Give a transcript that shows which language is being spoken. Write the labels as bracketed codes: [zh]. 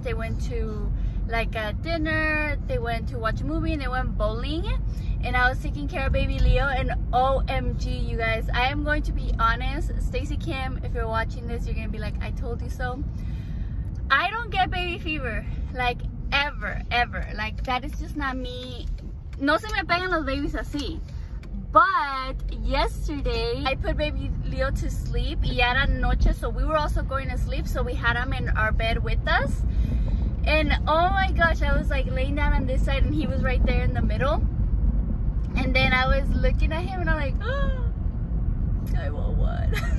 [en] They went to like a dinner, they went to watch a movie, and they went bowling. And I was taking care of baby Leo, and OMG, you guys, I am going to be honest. Stacy Kim, if you're watching this, you're gonna be like, I told you so. I don't get baby fever, like ever. Like, that is just not me. [es] No se me pegan los babies así. [en] But yesterday, I put baby Leo to sleep. [es] Y era noche, [en] so we were also going to sleep, so we had him in our bed with us. And oh my gosh, I was like laying down on this side and he was right there in the middle. And then I was looking at him and I'm like, oh, I want one.